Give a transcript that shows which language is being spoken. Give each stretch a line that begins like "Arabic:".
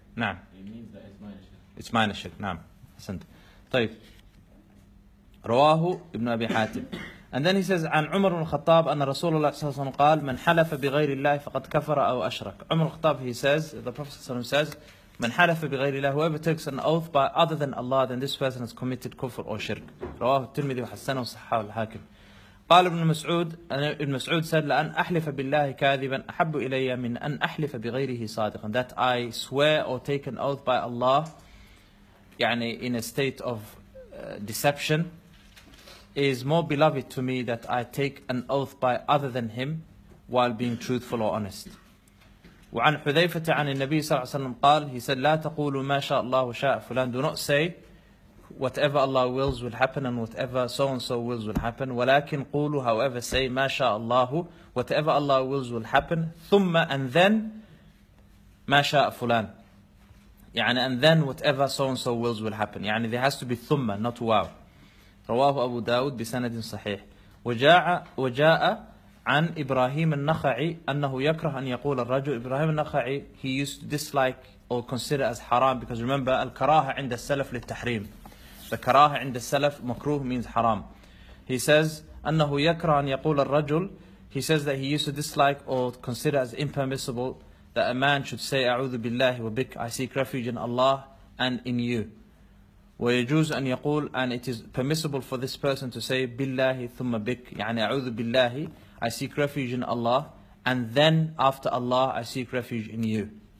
English: it means that it's minor shirk. It's minor shirk,
Arabic: نعم. حسنت. طيب. رواه ابن أبي حاتم.
English: And then he says,
Arabic: عن عمر الخطاب أن رسول الله صلى الله عليه وسلم قال من حلف بغير الله فقد كفر أو أشرك.
English: عمر الخطاب, he says, the Prophet
Arabic: صلى الله عليه وسلم
English: says,
Arabic: من حلف بغير الله,
English: whoever takes an oath by other than Allah, then this person has committed kufr or shirk.
Arabic: رواه الترمذي وحسنه وصححه الحاكم. قال ابن مسعود, ابن مسعود
English: said,
Arabic: لأن أحلف بالله كاذبا أحب إلي من أن أحلف بغيره صادقا.
English: That I swear or take an oath by Allah,
Arabic: يعني
English: in a state of deception, is more beloved to me that I take an oath by other than him while being truthful or honest.
Arabic: وعن حذيفة عن النبي صلى الله عليه وسلم قال,
English: he said,
Arabic: لا تقولوا ما شاء الله شاء فلان.
English: Do not say whatever Allah wills will happen and whatever so and so wills will happen.
Arabic: ولكن قولوا,
English: however, say
Arabic: ما شاء الله,
English: whatever Allah wills will happen.
Arabic: ثم,
English: and then
Arabic: ما شاء فلان, يعني
English: and then whatever so and so wills will happen.
Arabic: يعني
English: there has to be ثم, not واو.
Arabic: رواه أبو داود بسند صحيح. وجاء عن إبراهيم النخعي أنه يكره أن يقول الرجل.
English: إبراهيم النخعي, he used to dislike or consider as حرام, because remember
Arabic: الكراهة عند السلف للتحريم.
English: The
Arabic: كراهة عند السلف, مكروه
English: means
Arabic: حرام.
English: He says
Arabic: أنه يكره أن يقول الرجل.
English: He says that he used to dislike or consider as impermissible that a man should say
Arabic: أعوذ بالله وبك,
English: I seek refuge in Allah and in you.
Arabic: ويجوز أن يقول,
English: and it is permissible for this person to say
Arabic: بالله ثم بك, يعني أعوذ بالله,
English: I seek refuge in Allah, and then after Allah I seek refuge in you.